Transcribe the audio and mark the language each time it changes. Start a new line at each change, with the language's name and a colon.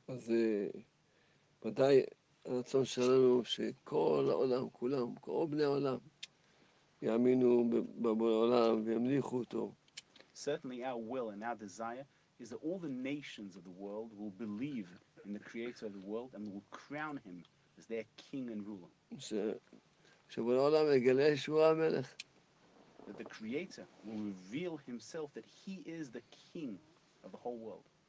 Hebrew: אז מתי הרצון שלנו שכל העולם כולם, כל בני העולם, יאמינו בבורא עולם וימליכו אותו?
English: Certainly our will and our desire is that all the nations of the world will believe in the creator of the world and will crown him as their king and ruler.
Hebrew: שבורא עולם יגלה שהוא המלך.
English: That the Creator will reveal himself, that he is the king of the whole world.